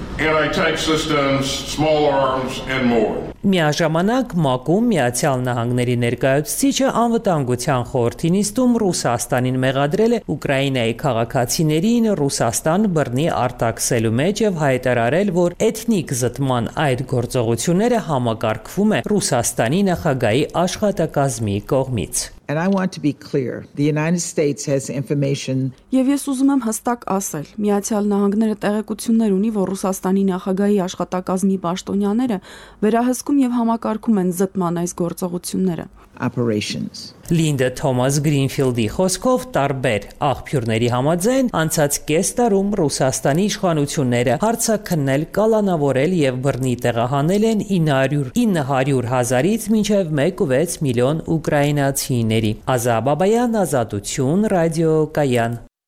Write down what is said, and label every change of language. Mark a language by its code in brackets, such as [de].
[hy] Միաժամանակ ՄԱԿ-ում Միացյալ Նահանգների ներկայացուցիչը անվտանգության խորհրդի նիստում Ռուսաստանին մեղադրել է Ուկրաինայի քաղաքացիներին Ռուսաստան բռնի արտաքսելու մեջ եւ հայտարարել, որ էթնիկ զտման այդ գործողությունները համակարգվում է Ռուսաստանի նախագահի աշխատակազմի կողմից։ [en] And I want to be clear. The United States has information. [hy] Եվ ես ուզում եմ հստակ ասել, Միացյալ Նահանգները տեղեկություններ ունի, որ Ռուսաստանի նախագահի աշխատակազմի պաշտոնյաները վերահսկում եւ համակարգում են զտման այս գործողությունները. [en] Operations. [hy] Լինդա Թոմաս Գրինֆիլդի խոսքով տարբեր աղբյուրների համաձայն անցած կես տարում Ռուսաստանի իշխանությունները հարցաքննել, կալանավորել եւ բռնի տեղահանել են 900,000-ից մինչեւ 1.6 միլիոն ուկրաինացիների։ Ազա Բաբայան, Ազատություն, Ռադիո Կայան։